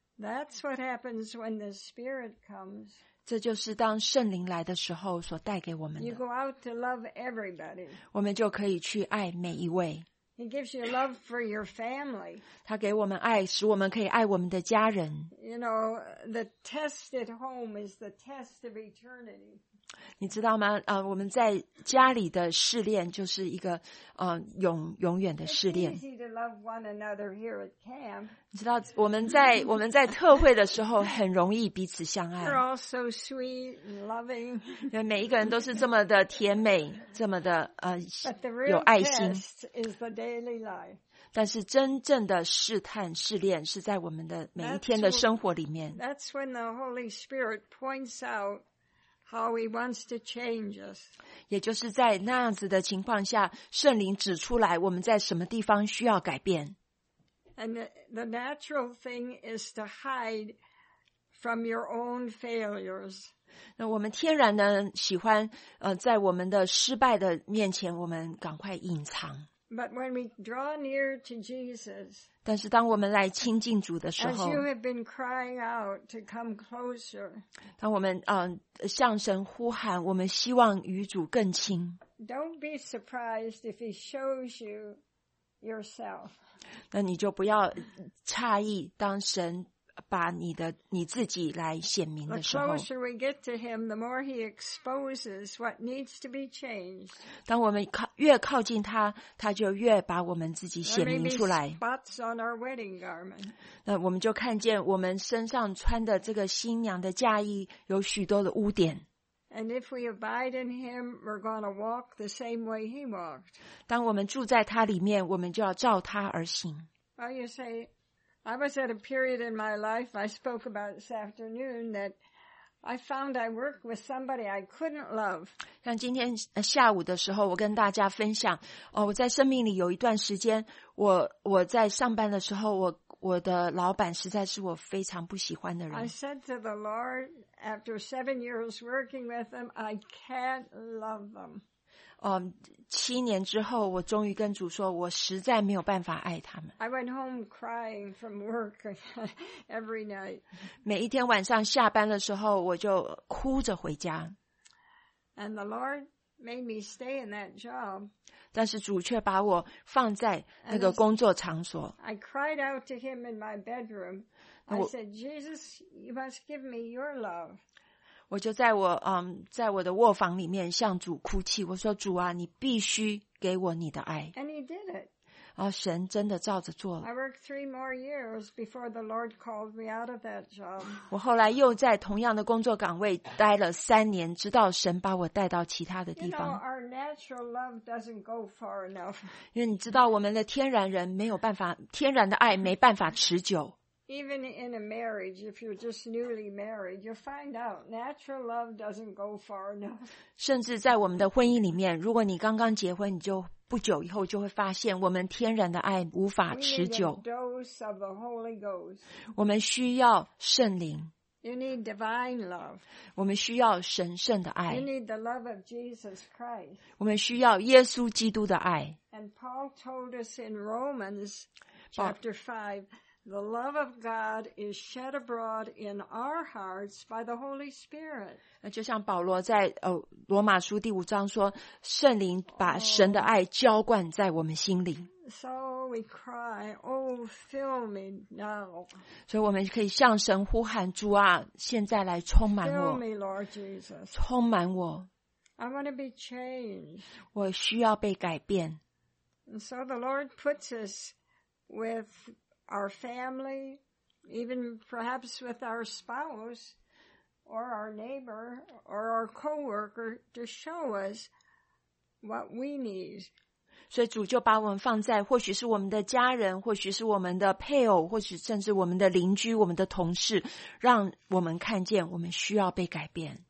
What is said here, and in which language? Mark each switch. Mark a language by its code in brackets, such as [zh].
[en] That's what happens when the Spirit comes. [zh] 这就是当圣灵来的时候所带给我们的。 [en] You go out to love everybody. [zh] 我们就可以去爱每一位。 [en] He gives you love for your family. [zh] 他给我们爱，使我们可以爱我们的家人。 [en] You know, the test at home is the test of eternity. [zh] 你知道吗？我们在家里的试炼就是一个永远的试炼。 [en] It's easy to love one another here at camp. [zh] 你知道我们在特会的时候很容易彼此相爱。 [en] We're all so sweet and loving. [zh] 每一个人都是这么的甜美，这么的有爱心。 [en] But the real test is the daily life. [zh] 但是真正的试探试炼是在我们的每一天的生活里面。 [en] That's when the Holy Spirit points out. How he wants to change us. [zh] 也就是在那样子的情况下，圣灵指出来我们在什么地方需要改变。 [en] And the natural thing is to hide from your own failures. [zh] 那我们天然呢，喜欢在我们的失败的面前，我们赶快隐藏。 [en] But when we draw near to Jesus, [zh] 但是当我们来亲近主的时候 [en] as you have been crying out to come closer, [zh] 当我们向神呼喊，我们希望与主更亲 [en] Don't be surprised if he shows you yourself. [zh] 那你就不要诧异，当神把你自己来显明的时候 [en] The closer we get to him, the more he exposes what needs to be changed. [zh] 当我们越靠近他，他就越把我们自己显明出来。 [en] There may be spots on our wedding garment. [zh] 那我们就看见我们身上穿的这个新娘的嫁衣有许多的污点。 [en] And if we abide in him, we're going to walk the same way he walked. [zh] 当我们住在他里面，我们就要照他而行。 [en] Well, you say,I was at a period in my life, I spoke about this afternoon, that I found I worked with somebody I couldn't love. [zh] 像今天下午的时候我跟大家分享我在生命里有一段时间我在上班的时候我我的老板实在是我非常不喜欢的人。 [en] I said to the Lord, after 7 years working with them, I can't love them. [zh] 七年之后，我终于跟主说，我实在没有办法爱他们。 [en] I went home crying from work every night. [zh] 每一天晚上下班的时候，我就哭着回家。 [en] And the Lord made me stay in that job. [zh] 但是主却把我放在那个工作场所。 [en] I cried out to him in my bedroom. I said, Jesus, you must give me your love. [zh] 我就在我在我的卧房里面向主哭泣。我说，主啊，你必须给我你的爱。 [en] And he did it. [zh] 然后神真的照着做了。 [en] I worked 3 more years before the Lord called me out of that job. [zh] 我后来又在同样的工作岗位待了3年，直到神把我带到其他的地方。 [en] Natural love doesn't go far enough. [zh] 因为你知道，我们的天然人没有办法，天然的爱没办法持久。 [en] Even in a marriage, if you're just newly married, you'll find out natural love doesn't go far enough. [zh] 甚至在我们的婚姻里面，如果你刚刚结婚，你就不久以后就会发现，我们天然的爱无法持久。 [en] We need a dose of the Holy Ghost. [zh] 我们需要圣灵。 [en] You need divine love. [zh] 我们需要神圣的爱。 [en] You need the love of Jesus Christ. [zh] 我们需要耶稣基督的爱。 [en] And Paul told us in Romans chapter 5, the love of God is shed abroad in our hearts by the Holy Spirit. [zh] 就像保罗在罗马书第5章说，圣灵把神的爱浇灌在我们心里。 [en] So we cry, oh, fill me now. [zh] 所以我们可以向神呼喊，主啊，现在来充满我。 [en] Fill me, Lord Jesus. [zh] 充满我。 [en] I want to be changed. [zh] 我需要被改变。 [en] And so the Lord puts us with our family, even perhaps with our spouse, or our neighbor, or our co-worker, to show us what we need. [zh] 所以主就把我们放在或许是我们的家人，或许是我们的配偶，或许甚至我们的邻居，我们的同事，让我们看见我们需要被改变。